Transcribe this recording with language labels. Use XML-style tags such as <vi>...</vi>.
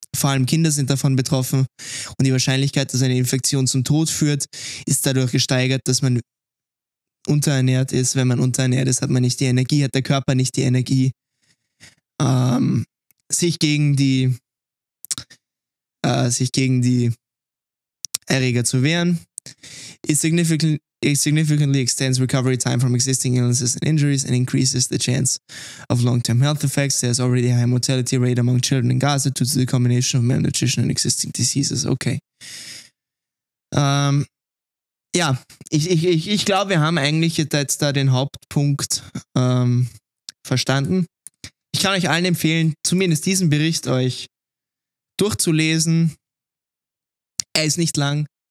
<de>Vor allem Kinder sind davon betroffen. Und die Wahrscheinlichkeit, dass eine Infektion zum Tod führt, ist dadurch gesteigert, dass man unterernährt ist. Wenn man unterernährt ist, hat man nicht die Energie, hat der Körper nicht die Energie, sich gegen die Erreger zu wehren.</de> <en>It significantly extends recovery time from existing illnesses and injuries and increases the chance of long-term health effects. There's already a high mortality rate among children in Gaza due to the combination of malnutrition and existing diseases. Okay.</en> <de>Ja, ich glaube, wir haben eigentlich jetzt da den Hauptpunkt verstanden. Ich kann euch allen empfehlen, zumindest diesen Bericht euch durchzulesen. Er ist nicht lang.</de>